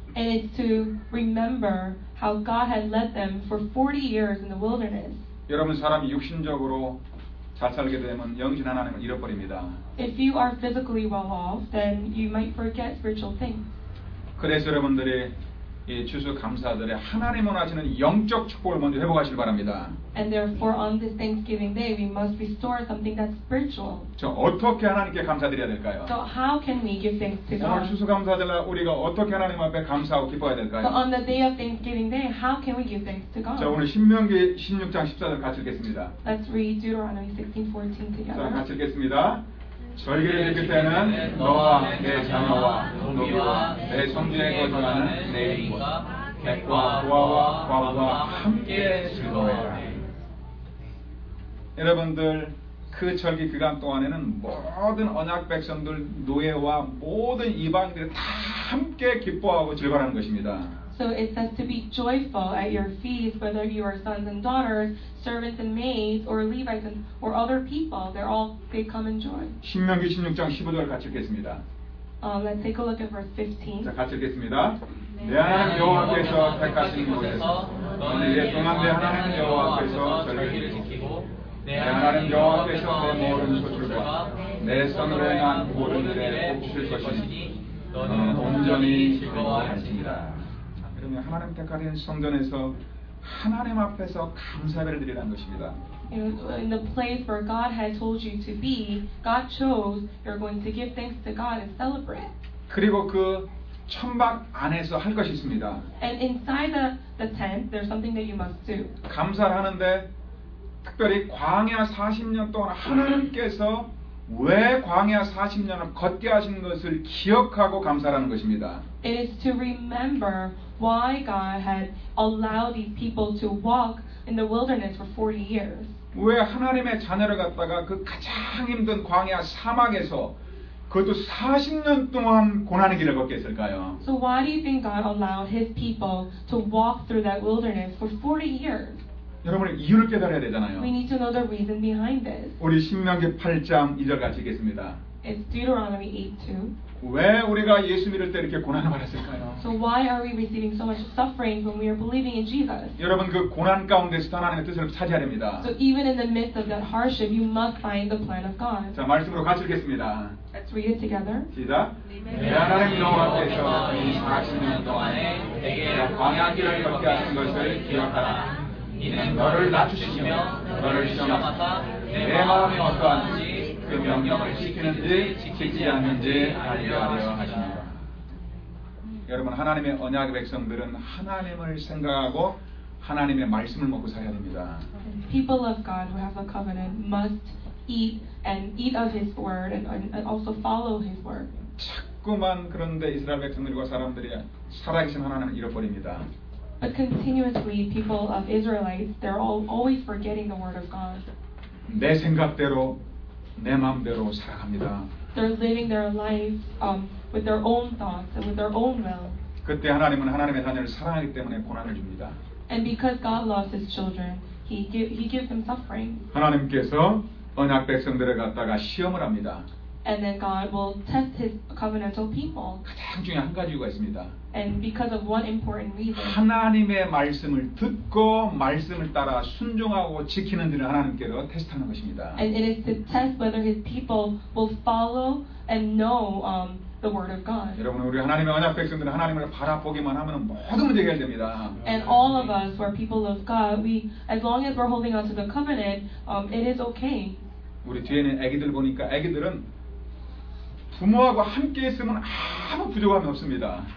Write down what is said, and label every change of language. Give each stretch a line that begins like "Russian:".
English: And it's to remember how God had led them for 40 years in the wilderness.
Korean: 여러분 사람이 육신적으로 잘 살게 되면 영신 하나님을 잃어버립니다.
English: If you are physically well off, then you might forget spiritual things.
Korean: 그래서 여러분들이 이 추수 감사절에 하나님 원하시는 영적 축복을 먼저 회복하시길 바랍니다.
English: And therefore on this Thanksgiving day we must restore something that's spiritual.
Korean: 저 어떻게 하나님께 감사드려야 될까요?
English: So how can we give thanks to God?
Korean: 추수 감사절에 우리가 어떻게 하나님 앞에 감사하고 기뻐해야 될까요?
English: So on the day of Thanksgiving day how can we give thanks to God?
Korean: 자 오늘 신명기 16장 14절 같이 읽겠습니다.
English: Let's read Deuteronomy 16:14 together.
Korean: 자 같이 읽겠습니다. 절기를 지킬 때는 너와 내 자녀와 농부와 내 성중에 거주하는 내 이웃과 객과 부하와 과부와 함께 즐거워하라. 여러분들 그 절기 기간 동안에는 모든 언약 백성들 노예와 모든 이방인들이 다 함께 기뻐하고 즐거워하는 것입니다.
English: So it says to be joyful at your feast, whether you are sons and daughters, servants and maids, or Levites and, or other people, they come and join.
Korean: 신명기 16장 15절 같이 읽겠습니다.
English: Let's take a look at verse 15.
Korean: 자 같이 읽겠습니다. 내 하나님 여호와께서 택하신 곳에서 너희의 동안 내 하나님 여호와께서 절기를 지키고 내 하나님 여호와께서 내 모든 소출과 내 손으로 행한 모든 일에 복주실 것이니 너는 온전히 즐거워하십니다. 하나님 택하신 성전에서 하나님 앞에서 감사를 드리라는 것입니다.
English: In the place where God had told you to be, God chose you're going to give thanks to God and celebrate.
Korean: 그리고 그 천막 안에서 할 것이 있습니다.
English: And inside the tent, there's something that you must do.
Korean: 감사하는데 특별히 광야 40년 동안 하나님께서 왜 광야 40년을 걷게 하신 것을 기억하고 감사하는 것입니다.
English: It is to remember why God had allowed these people to walk in the wilderness for 40 years.
Korean: 왜 하나님의 자녀를 갖다가 그 가장 힘든 광야 사막에서 그것도 40년 동안 고난의 길을 걷게 했을까요?
English: So why do you think God allowed his people to walk through that wilderness for 40 years?
Korean: 여러분 이유를 깨달아야 되잖아요.
English: We need to know the reason behind this.
Korean: 우리 신명기 8장 2절 같이 읽겠습니다.
English: It's Deuteronomy 8:2.
Korean: 왜 우리가 예수 믿을 때 이렇게 고난을 받았을까요?
English: So why are we receiving so much suffering when we are believing in Jesus?
Korean: 여러분 그 고난 가운데서 하나님의 뜻을 찾아야 됩니다.
English: So even in the midst of that hardship, you must find the plan of God.
Korean: 자 말씀으로 같이 읽겠습니다.
English: Let's read it together.
Korean: 시작. 내 하나님 여호와께서 이 40년 동안에 내게 광야 길을 걷게 하신 것을 기억하라. 이는 너를 낮추시며 너를 시험하사 내 마음이 어떠한지 그 명령을 지키는지 지키지 않는지 알려 하십니다. 여러분 하나님의 언약의 백성들은 하나님을 생각하고 하나님의 말씀을 먹고 살아야 됩니다.
English: People of God who have a covenant must eat and eat of His word and also follow His word.
Korean: 자꾸만 그런데 이스라엘 백성들과 사람들이 살아계신 하나님을 잃어버립니다.
English: But continuously, people of Israelites, they're all always forgetting the word of God.
Korean: 내 생각대로, 내 마음대로 살아갑니다.
English: They're living their life with their own thoughts and with their own will.
Korean: 그때 하나님은 하나님의 자녀를 사랑하기 때문에 고난을 줍니다.
English: And because God loves His children, He gives them suffering.
Korean: 하나님께서 언약 백성들을 갖다가 시험을 합니다.
English: And then God will test His covenantal people.
Korean: 가장 중요한 한 가지 이유가 있습니다.
English: And because of one important reason.
Korean: 하나님의 말씀을 듣고 말씀을 따라 순종하고 지키는 일을 하나님께서 테스트하는 것입니다.
English: And it is to test whether His people will follow and know the word of God.
Korean: 여러분 우리 하나님의 언약 백성들은 하나님을 바라보기만 하면 모든 문제 해결됩니다.
English: And all of us, who are people of God, we as long as we're holding on to the covenant, it is okay.
Korean: 우리 뒤에는 아기들 보니까 아기들은 부모하고 함께 있으면 아무 부족함이 없습니다.